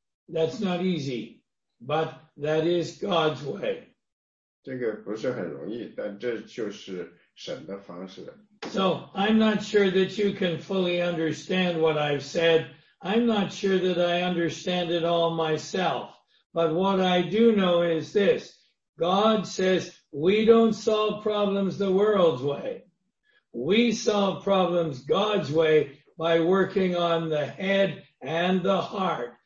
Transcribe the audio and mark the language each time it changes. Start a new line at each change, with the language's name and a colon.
English: That's not easy, but that is God's way.
Chinese: 这个不是很容易, 但这就是神的方式。
English: So I'm not sure that you can fully understand what I've said. I'm not sure that I understand it all myself. But what I do know is this. God says we don't solve problems the world's way. We solve problems God's way by working on the head and the heart.